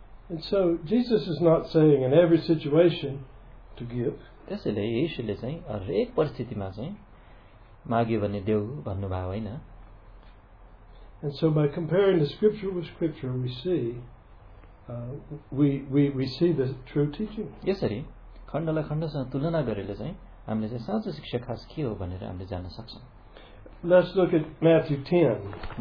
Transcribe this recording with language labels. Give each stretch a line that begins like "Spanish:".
English: And so Jesus is not saying in every situation to give.
Nepali: त्यसैले यीशुले चाहिँ हरेक परिस्थितिमा चाहिँ माग्यो भने देऊ भन्नुभएको होइन.
English: And so by comparing the scripture with scripture, we see we see the true teaching.
Nepali: यसरी खण्डलाई खण्डसँग तुलना गरेर चाहिँ हामीले चाहिँ साँचो शिक्षा खास के हो भनेर हामीले जान्न सक्छौँ.
English: Let's look at Matthew 10.